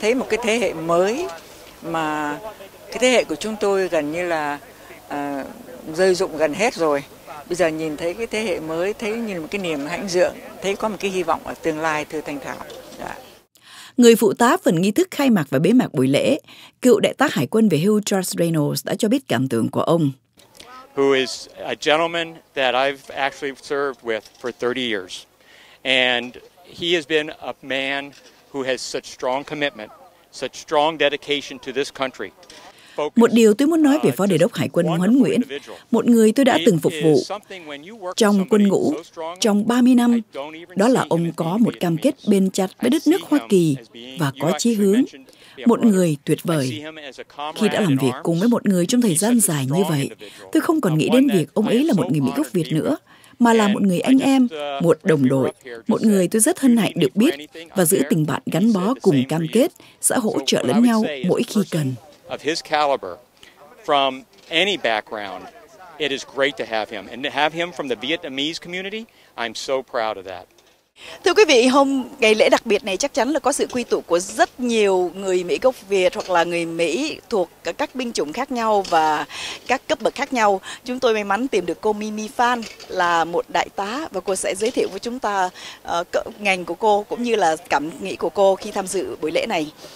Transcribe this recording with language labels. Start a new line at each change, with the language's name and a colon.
Vietnamese: Thấy một cái thế hệ mới mà cái thế hệ của chúng tôi gần như là rơi rụng gần hết rồi. Bây giờ nhìn thấy cái thế hệ mới, thấy như là một cái niềm hãnh diện, thấy có một cái hy vọng ở tương lai, thưa Thanh Thảo." Dạ. Người phụ tá phần nghi thức khai mạc và bế mạc buổi lễ, cựu đại tá hải quân về hưu Charles Reynolds đã cho biết cảm tưởng của ông.
English: Who is a gentleman that I've actually served with for 30 years. And he has been a man who has such strong commitment, such strong dedication to this country.
Vietnamese: Một điều tôi muốn nói về Phó Đại đốc Hải quân Huấn Nguyễn, một người tôi đã từng phục vụ trong quân ngũ trong 30 năm, đó là ông có một cam kết bền chặt với đất nước Hoa Kỳ và có chí hướng. Một người tuyệt vời. Khi đã làm việc cùng với một người trong thời gian dài như vậy, tôi không còn nghĩ đến việc ông ấy là một người Mỹ gốc Việt nữa, mà là một người anh em, một đồng đội, một người tôi rất hân hạnh được biết và giữ tình bạn gắn bó cùng cam kết sẽ hỗ trợ lẫn nhau mỗi khi cần.
English: Of his caliber, from any background, it is great to have him. And to have him from the Vietnamese community, I'm so proud of that.
Vietnamese: Thưa quý vị, hôm ngày lễ đặc biệt này chắc chắn là có sự quy tụ của rất nhiều người Mỹ gốc Việt hoặc là người Mỹ thuộc các binh chủng khác nhau và các cấp bậc khác nhau. Chúng tôi may mắn tìm được cô Mimi Phan là một đại tá và cô sẽ giới thiệu với chúng ta ngành của cô cũng như là cảm nghĩ của cô khi tham dự buổi lễ này.